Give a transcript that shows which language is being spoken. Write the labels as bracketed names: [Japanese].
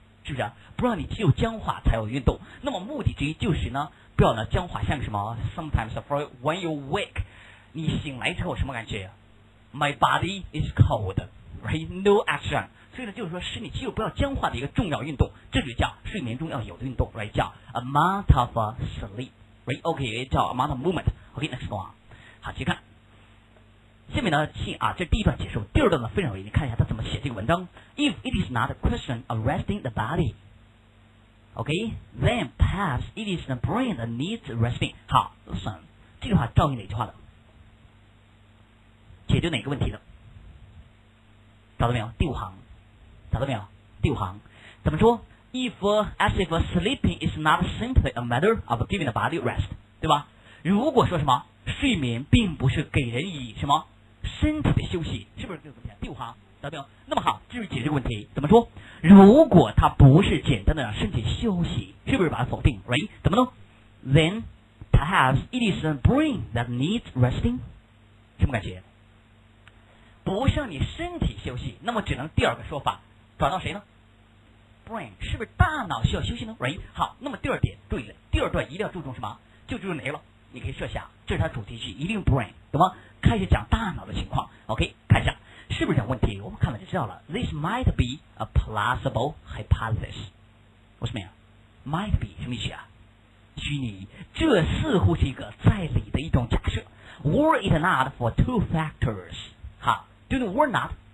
[Chinese] 是不是、啊、不让你肌肉僵化才有运动，那么目的之一就是呢不要呢僵化，像什么 [English] sometimes for when you wake， [Chinese] 你醒来之后什么感觉 [English] my body is cold right no action， [Chinese] 所以呢就是说使你肌肉不要僵化的一个重要运动，这就叫睡眠中要有的运动 right， 叫 [English] amount of sleep right， [Chinese] OK 叫 [English] amount of movement， [Chinese] OK [English] next one。 [Chinese] 好，请看下面呢，请啊，这第一段结束。第二段呢非常有意思，你看一下他怎么写这个文章。 [English] If it is not a question of resting the body, okay, then perhaps it is the brain that needs resting. [Chinese] 好 ，listen， 这句话照应哪句话的？解决哪个问题的？找到没有？第五行，找到没有？第五行怎么说 [English] ？If as if sleeping is not simply a matter of giving the body rest， [Chinese] 对吧？如果说什么睡眠并不是给人以什么？身体的休息，是不是这个问题？第五行，答对了。那么好，继续解决这个问题。怎么说？如果它不是简单的让身体休息，是不是把它否定 ？Right？怎么弄 [English] ？Then perhaps it is a brain that needs resting。 [Chinese] 什么感觉？不是让你身体休息，那么只能第二个说法，转到谁呢 ？Brain 是不是大脑需要休息呢 ？Right？好，那么第二点，注意了，第二段一定要注重什么？就注重哪个了？你可以设想，这是它主题句，一定 brain， 懂吗？开始讲大脑的情况 ，OK， 看一下是不是有问题？我们看了就知道了。 [English] This might be a plausible hypothesis， [Chinese] 我什么呀 ？ [English] Might be [Chinese] 什么意思啊？虚拟，这似乎是一个在理的一种假设。 [English] Were it not for two factors， [Chinese] 好 [English] ，do not were not。